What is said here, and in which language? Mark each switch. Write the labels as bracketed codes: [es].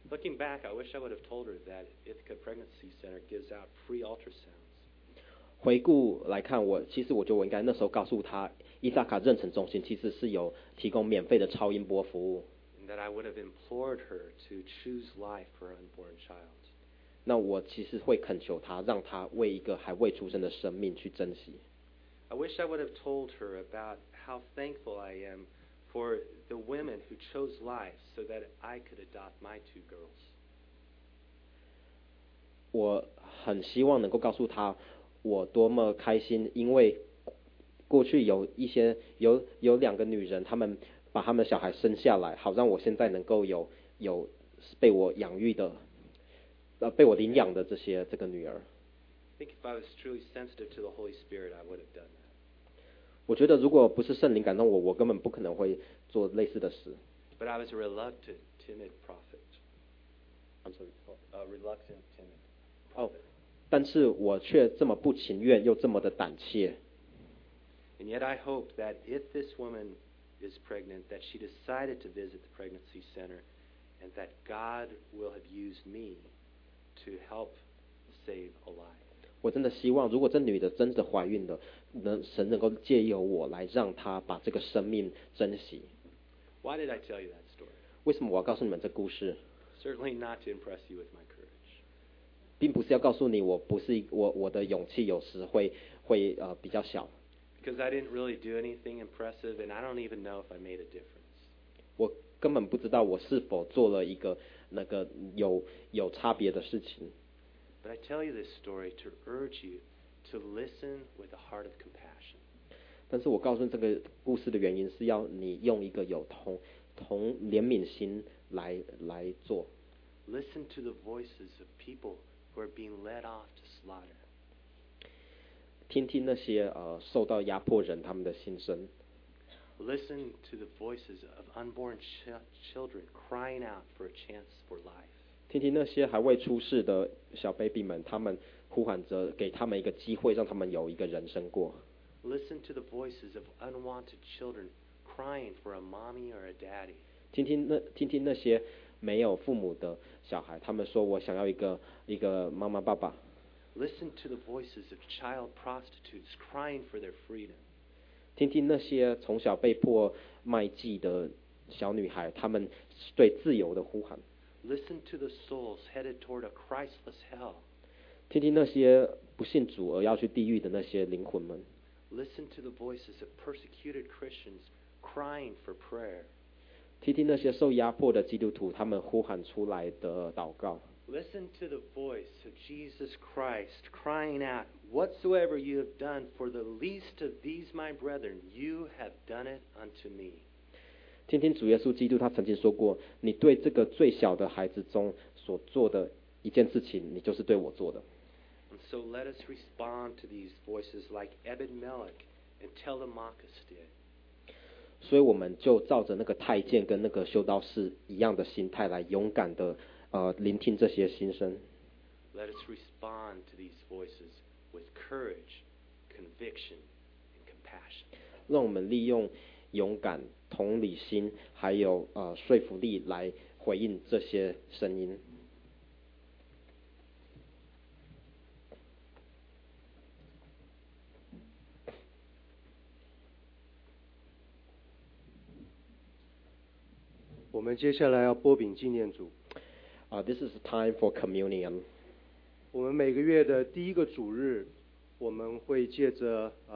[en] Looking back, I wish I would have told her that Ithaca Pregnancy Center gives out free ultrasounds. [zh] 回顾来看，我觉得我应该那时候告诉她，伊萨卡妊娠中心其实是有提供免费的超音波服务。 [en] And that I would have implored her to choose life for her unborn child. [zh] 那我其实会恳求她，让她为一个还未出生的生命去珍惜。 [en] I wish I would have told her about how thankful I am for the women who chose life so that I could adopt my two girls. [zh] 我很希望能够告诉她我多么开心，因为过去有一些有两个女人，她们把她们小孩生下来，好让我现在能够有被我养育的，被我领养的这个女儿。 [en] I think if I was truly sensitive to the Holy Spirit, I would have done that. [zh] 我觉得如果不是圣灵感动我，我根本不可能会做类似的事。 [en] But I was a reluctant, timid prophet. I'm sorry, a reluctant, timid prophet. [zh] 但是我却这么不情愿又这么的胆怯。 [en] And yet I hope that if this woman is pregnant, that she decided to visit the pregnancy center, and that God will have used me to help save a life. [zh] 我真的希望，如果这女的真的怀孕了，神能够借由我来让她把这个生命珍惜。 [en] Why did I tell you that story? [zh] 为什么我要告诉你们这故事？ [en] Certainly not to impress you with my courage. [zh] 并不是要告诉你我不是我的勇气有时会比较小。 [en] Because I didn't really do anything impressive, and I don't even know if I made a difference. [zh] 我根本不知道我是否做了一个那个有差别的事情。 [en] But I tell you this story to urge you to listen with a heart of compassion. [zh] 但是我告诉这个故事的原因是要你用一个有同怜悯心来做。 [en] Listen to the voices of people who are being led off to slaughter. [zh] 听听那些受到压迫人他们的心声。 [en] Listen to the voices of unborn children crying out for a chance for life. [zh] 听听那些还未出世的小 baby 们，他们呼喊着给他们一个机会，让他们有一个人生过。 [en] Listen to the voices of unwanted children crying for a mommy or a daddy. [zh] 听听那些没有父母的小孩，他们说我想要一个妈妈爸爸。 [en] Listen to the voices of child prostitutes crying for their freedom. [zh] 听听那些从小被迫卖妓的小女孩，他们对自由的呼喊。 [en] Listen to the souls headed toward a Christless hell. [zh] 听听那些不信主而要去地狱的那些灵魂们。 [en] Listen to the voices of persecuted Christians crying for prayer. [zh] 听听那些受压迫的基督徒他们呼喊出来的祷告。 [en] Listen to the voice of Jesus Christ crying out, "Whatsoever you have done for the least of these my brethren, you have done it unto me." [zh] 听听主耶稣基督他曾经说过，你对这个最小的孩子中所做的一件事情，你就是对我做的。 [en] And so let us respond to these voices like Ebed-Melech and Telemachus did. [zh] 所以我们就照着那个太监跟那个修道士一样的心态来勇敢的聆听这些心声。 [en] Let us respond to these voices with courage, conviction, and compassion. [zh] 让我们利用勇敢、同理心，还有说服力来回应这些声音。我们接下来要擘饼纪念主。 [en] This is time for communion. [zh] 我们每个月的第一个主日，我们会借着